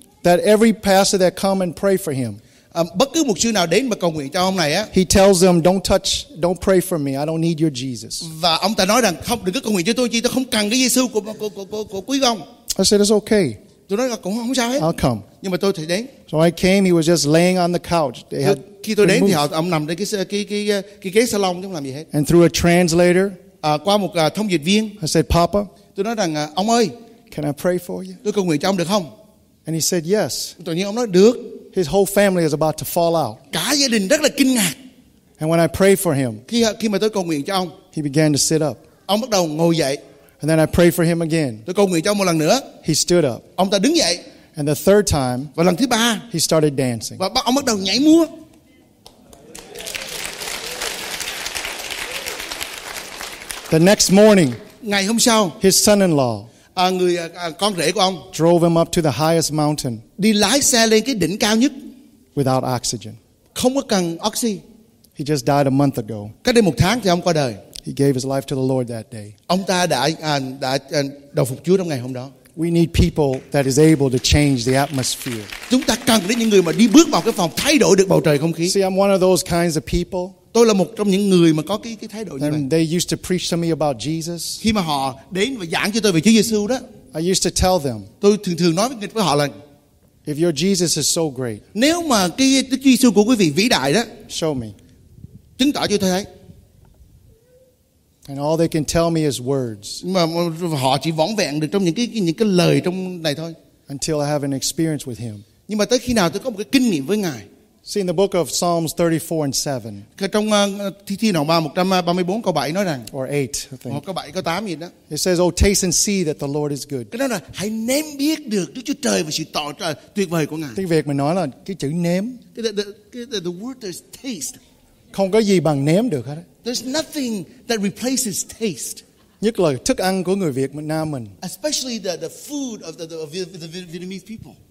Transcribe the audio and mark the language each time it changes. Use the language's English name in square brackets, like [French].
[English] That every pastor that come and pray for him. [Vietnamese] Bất cứ mục sư nào đến mà cầu nguyện cho ông này á. [English] He tells them, don't pray for me. I don't need your Jesus. [Vietnamese] Và ông ta nói rằng không được cầu nguyện cho tôi không cần cái Giêsu của quý ông. [English] I said, it's okay. [Vietnamese] Tôi nói là cũng không sao hết. [English] I'll come. [Vietnamese] Nhưng mà tôi thì đến. [English] So I came, he was just laying on the couch. They had [Vietnamese] khi tôi đến thì ông nằm trên cái ghế salon không làm gì hết. [English] And through a translator, [Vietnamese] qua một thông dịch viên, [English] I said, Papa, [Vietnamese] tôi nói rằng ông ơi, [English] can I pray for you? [Vietnamese] Tôi cầu nguyện cho ông được không? [English] And he said yes. [Vietnamese] Tự nhiên ông nói được. [English] His whole family is about to fall out. [Vietnamese] Cả gia đình rất là kinh ngạc. [English] And when I prayed for him, [Vietnamese] khi mà tôi cầu nguyện cho ông, [English] he began to sit up. [Vietnamese] Ông bắt đầu ngồi dậy. [English] And then I prayed for him again. [Vietnamese] Tôi cầu nguyện cho ông một lần nữa. [English] He stood up. [Vietnamese] Ông ta đứng dậy. [English] And the third time, [Vietnamese] và lần thứ ba, [English] he started dancing. [Vietnamese] Và ông bắt đầu nhảy múa. [English] The next morning, [Vietnamese] ngày hôm sau, [English] his son-in-law, [Vietnamese] người con rể của ông, [English] drove him up to the highest mountain. [Vietnamese] Đi lái xe lên cái đỉnh cao nhất. [English] Without oxygen. [Vietnamese] Không có cần oxy. [English] He just died a month ago. [Vietnamese] Cách đây một tháng thì ông qua đời. [English] He gave his life to the Lord that day. [Vietnamese] Ông ta đã đầu phục Chúa trong ngày hôm đó. [English] We need people that is able to change the atmosphere. [Vietnamese] Chúng ta cần đến những người mà đi bước vào cái phòng thay đổi được bầu trời không khí. [English] See, I'm one of those kinds of people. [Vietnamese] Tôi là một trong những người mà có cái thái độ như [English] and [Vietnamese] vậy. [English] They used to preach to me about Jesus. [Vietnamese] Khi mà họ đến và giảng cho tôi về Chúa Giêsu đó. [English] I used to tell them. [Vietnamese] Tôi thường nói với họ là [English] if your Jesus is so great. [Vietnamese] Nếu mà cái Chúa Giêsu của quý vị vĩ đại đó. [English] Show me. [Vietnamese] Chứng tỏ cho tôi thấy. [English] And all they can tell me is words. [Vietnamese] Mà họ chỉ vỏn vẹn được trong những cái lời trong này thôi. [English] Until I have an experience with him. [Vietnamese] Nhưng mà tới khi nào tôi có một cái kinh nghiệm với Ngài. [English] See, in the book of Psalms 34 and 7. [Vietnamese] Trong Thi Thiên Hoàng 134 câu 7 nói rằng. [English] Or 8, I think. [Vietnamese] Câu 7, câu 8 gì đó. [English] It says, oh, taste and see that the Lord is good. [Vietnamese] Cái đó là hãy nếm biết được Đức Chúa Trời và sự tỏ trời tuyệt vời của Ngài. Tiếng Việt mình nói là cái chữ nếm. [English] The word is taste. [Vietnamese] Không có gì bằng nếm được hết. [English] There's nothing that replaces taste. [Vietnamese] Nhất là thức ăn của người Việt Nam mình. [English] Especially the food of the Vietnamese people.